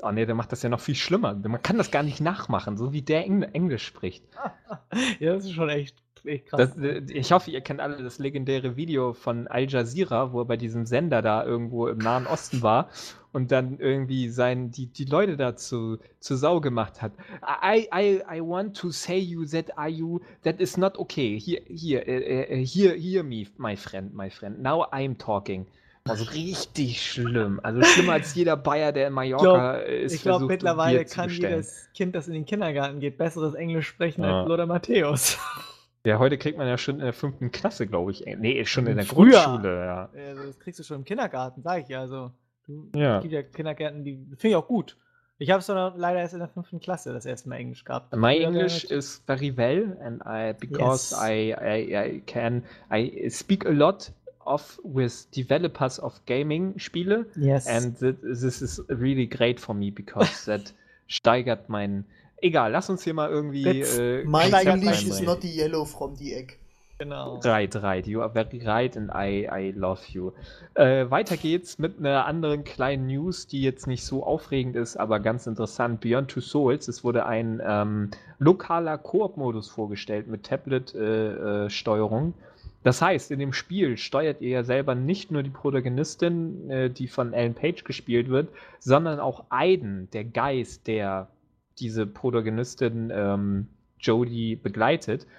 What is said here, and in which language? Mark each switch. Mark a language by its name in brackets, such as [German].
[German] Oh, nee, der macht das ja noch viel schlimmer. Man kann das gar nicht nachmachen, so wie der Englisch spricht. Ja, das ist schon echt krass. Ich hoffe, ihr kennt alle das legendäre Video von Al Jazeera, wo er bei diesem Sender da irgendwo im Nahen Osten war. Und dann irgendwie die Leute da zu Sau gemacht hat. [English] I want to say you that are you, that is not okay. Hear me, my friend. Now I'm talking. [German] Also richtig schlimm. Also schlimmer als jeder Bayer, der in Mallorca ist. Ich glaube, mittlerweile kann jedes Kind, das in den Kindergarten geht, besseres Englisch sprechen als Lothar Matthäus. Ja, heute kriegt man ja schon in der 5. Klasse, glaube ich. Nee, schon in der Grundschule, ja. Also das kriegst du schon im Kindergarten, sag ich ja. Also. Ja. Es gibt ja Kindergärten, die finde ich auch gut. Ich habe es leider erst in der 5. Klasse das erste Mal Englisch gehabt. [English] My English is very well and I can I speak a lot of with developers of gaming Spiele. Yes. And this is really great for me because that [German] steigert mein. Egal, lass uns hier mal irgendwie. [English] My English is not the yellow from the egg. [German] Genau. [English] Right, you are very right and I love you. [German] Weiter geht's mit einer anderen kleinen News, die jetzt nicht so aufregend ist, aber ganz interessant. Beyond Two Souls, es wurde ein lokaler Koop-Modus vorgestellt mit Tablet-Steuerung. Das heißt, in dem Spiel steuert ihr ja selber nicht nur die Protagonistin, die von Ellen Page gespielt wird, sondern auch Aiden, der Geist, der diese Protagonistin Jodie begleitet.